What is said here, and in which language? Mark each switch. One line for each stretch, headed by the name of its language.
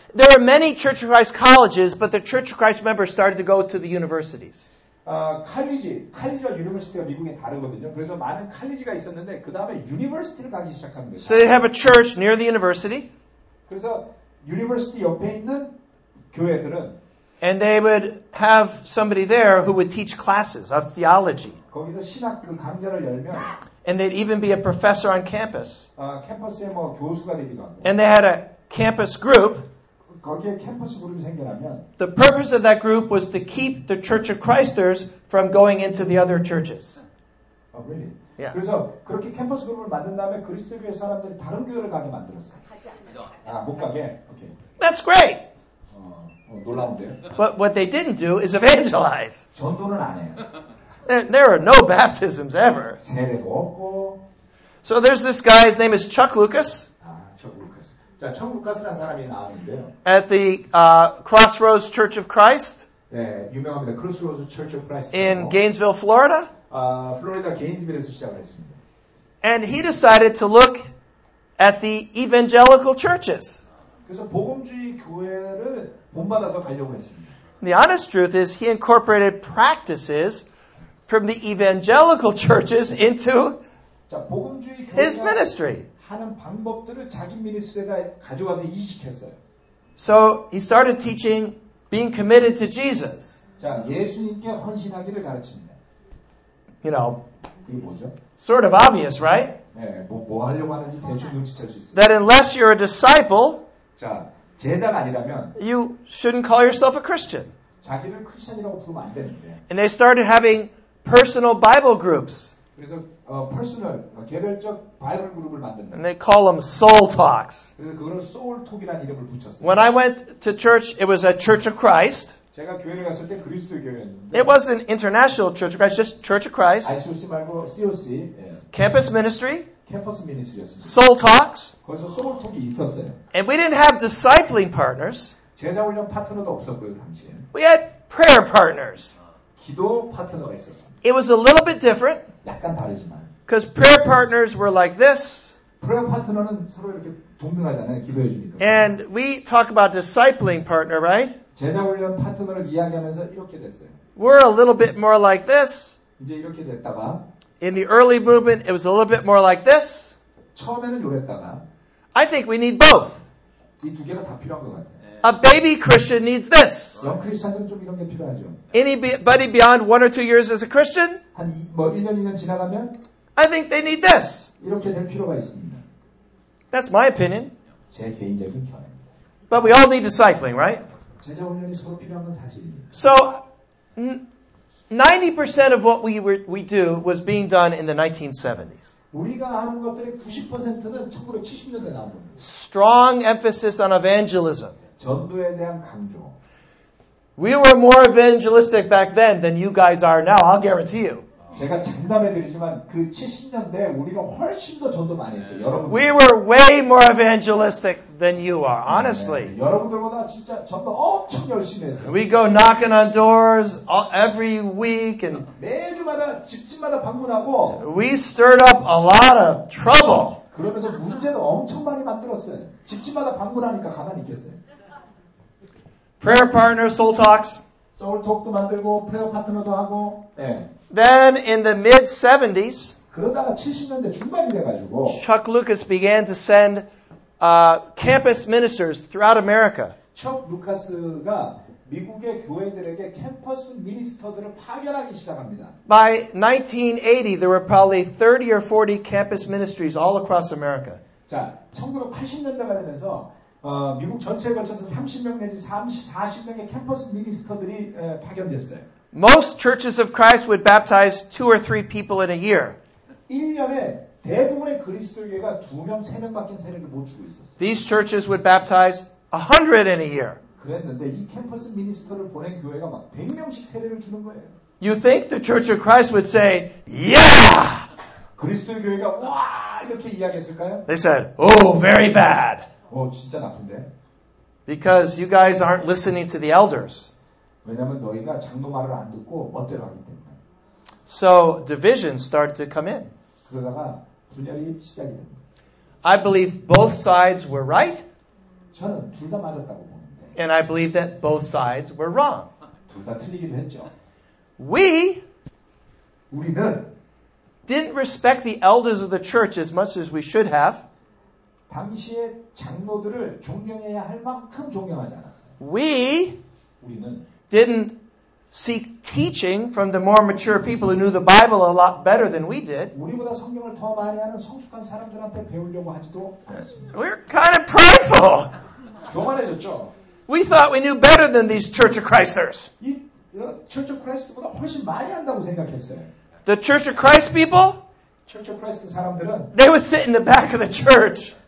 English: There are many Church of Christ colleges, but the Church of Christ members started to go to the universities.
Korean: 칼리지와 유니버시티가 미국에 다르거든요. 그래서 많은 칼리지가 있었는데 그 다음에 유니버시티를 가기 시작한 거예요.
English: So they have a church near the university.
Korean: 그래서 유니버시티 옆에 있는 교회들은
English: and they would have somebody there who would teach classes of theology.
Korean: 거기서 신학 그 강좌를 열면
English: and they'd even be a professor on campus.
Korean: 캠퍼스에 뭐 교수가 되기도 하고
English: and they had a campus group.
Korean: 거기에 캠퍼스 그룹이 생겨나면
English: The purpose of that group was to keep the Church of Christers from going into the other churches. Oh, really? Yeah.
Korean: 그래서 그렇게 캠퍼스 그룹을 만든 다음에 그리스도 교회 사람들이 다른 교회를 가게 만들었어요. 가지 아, 못 가게.
English: Okay. That's great.
Korean: 놀라운데.
English: But what they didn't do is evangelize.
Korean: 전도는 안 해요.
English: There are no baptisms ever.
Korean: 세례도 없고.
English: So there's this guy, his name is Chuck Lucas.
Korean: 자, 천국가스라는 사람이 나왔는데요.
English: At the Crossroads Church of Christ.
Korean: 네, 유명합니다. Crossroads Church of Christ.
English: In Gainesville, Florida.
Korean: 플로리다 게인즈빌에서 시작을 했습니다.
English: And he decided to look at the evangelical churches.
Korean: 그래서 복음주의 교회를 본받아서 가려고 했습니다.
English: The honest truth is he incorporated practices from the evangelical churches into
Korean: 자, 복음주의 교회가
English: his ministry.
Korean: 하는 방법들을 자기 미니스트리가 가져와서 이식했어요.
English: So he started teaching being committed to Jesus.
Korean: 자, 예수님께 헌신하기를 가르칩니다.
English: You know,
Korean: 뭐죠?
English: Sort of obvious, right?
Korean: 네, 뭐 하려고 하는지 대충 눈치챌 수 있어요.
English: That unless you're a disciple,
Korean: 자, 제자가 아니라면
English: you shouldn't call yourself a Christian.
Korean: 자기를 크리스천이라고 부르면 안 되는데.
English: And they started having personal Bible groups.
Korean: 그래서 personal, 개별적 바이블 그룹을 만든다.
English: And they call them soul talks.
Korean: 그래서 그걸 soul talk이라는 이름을 붙였어요.
English: When I went to church, it was a Church of Christ.
Korean: 제가 교회를 갔을 때 그리스도의 교회였는데.
English: It was an international Church of Christ, just Church of Christ.
Korean: ICOC 말고 COC. 예.
English: Campus ministry.
Korean: Campus ministry였습니다.
English: Soul talks.
Korean: 거기서 soul talk이 있었어요.
English: And we didn't have discipling partners.
Korean: 제자 훈련 파트너도 없었고요, 당시에.
English: We had prayer partners.
Korean: 기도 파트너가 있었습니다.
English: It was a little bit different.
Korean: 약간 다르지만.
English: Because prayer partners were like this.
Korean: 프레어 파트너는 서로 이렇게 동등하잖아요, 기도해 주니까.
English: And we talk about discipling partner, right?
Korean: 제자 훈련 파트너를 이야기하면서 이렇게 됐어요.
English: We're a little bit more like this.
Korean: 이제 이렇게 됐다가.
English: In the early movement, it was a little bit more like this.
Korean: 처음에는 이랬다가.
English: I think we need both.
Korean: 이 두 개가 다 필요한 것 같아요.
English: A baby Christian needs this.
Korean: 영 크리스천은 좀 이런 게 필요하죠.
English: Anybody beyond one or two years as a Christian?
Korean: 한 뭐 1년 지나가면?
English: I think they need this.
Korean: 이렇게 될 필요가 있습니다.
English: That's my opinion.
Korean: 제 개인적인 견해입니다.
English: But we all need discipling, right?
Korean: 제자 훈련이 서로 필요한 건 사실입니다.
English: So 90% of what we do was being done in the 1970s.
Korean: 우리가 하는 것들의 90%는 1970년대 나온 겁니다.
English: Strong emphasis on evangelism.
Korean: 전도에 대한 강조.
English: We were more evangelistic back then than you guys are now, I'll guarantee you.
Korean: 제가 장담해 드리지만 그 70년대 우리가 훨씬 더 전도 많이 했어요. 여러분들.
English: We were way more evangelistic than you are, honestly.
Korean: 네, 여러분들보다 진짜 전도 엄청 열심히 했어요.
English: We go knocking on doors every week and
Korean: 매주마다 집집마다 방문하고
English: We stirred up a lot of trouble.
Korean: 그러면서 문제도 엄청 많이 만들었어요. 집집마다 방문하니까 가만히 있겠어요.
English: Prayer partner, soul talks.
Korean: Soul talk도 만들고, prayer partner도 하고, 예. 네.
English: Then in the mid-70s,
Korean: 그러다가 70년대 중반이 돼가지고,
English: Chuck Lucas began to send campus ministers throughout America.
Korean: Chuck Lucas가 미국의 교회들에게 캠퍼스 미니스터들을 파견하기 시작합니다.
English: By 1980, there were probably 30 or 40 campus ministries all across America.
Korean: 자, 1980년대가 되면서, 미국 전체에 걸쳐서 30명 내지 40명의 캠퍼스 미니스터들이 파견됐어요.
English: Most churches of Christ would baptize two or three people in a year.
Korean: 1년에 대부분의 그리스도교회가 2명, 3명밖에 세례를 못 주고 있었어요.
English: These churches would baptize 100 in a year.
Korean: 그랬는데 이 캠퍼스 미니스터를 보낸 교회가 막 100명씩 세례를 주는 거예요.
English: You think the Church of Christ would say, yeah!
Korean: 그리스도교회가 와! 이렇게 이야기했을까요?
English: They said, oh, very bad.
Korean: 오, 진짜 나쁜데?
English: Because you guys aren't listening to the elders.
Korean: 왜냐면 너희가 장로 말을 안 듣고 멋대로 하기 때문에.
English: So division started to come in.
Korean: 그러다가 분열이 시작이 됩니다.
English: I believe both sides were right.
Korean: 저는 둘 다 맞았다고 보는데.
English: And I believe that both sides were wrong.
Korean: 둘 다 틀리기도 했죠. 우리는
English: didn't respect the elders of the church as much as we should have.
Korean: 당시에 장로들을 존경해야 할 만큼 존경하지 않았어요.
English: We didn't seek teaching from the more mature people who knew the Bible a lot better than we did.
Korean: 우리보다 성경을 더 많이 아는 성숙한 사람들한테 배우려고 하지도 않았습니다.
English: We're kind of prideful.
Korean: 교만해졌죠.
English: We thought we knew better than these Church of Christers.
Korean: 이 Church of Christ보다 훨씬 많이 안다고 생각했어요.
English: The Church of Christ people?
Korean: Church of Christ 사람들은
English: They would sit in the back of the church.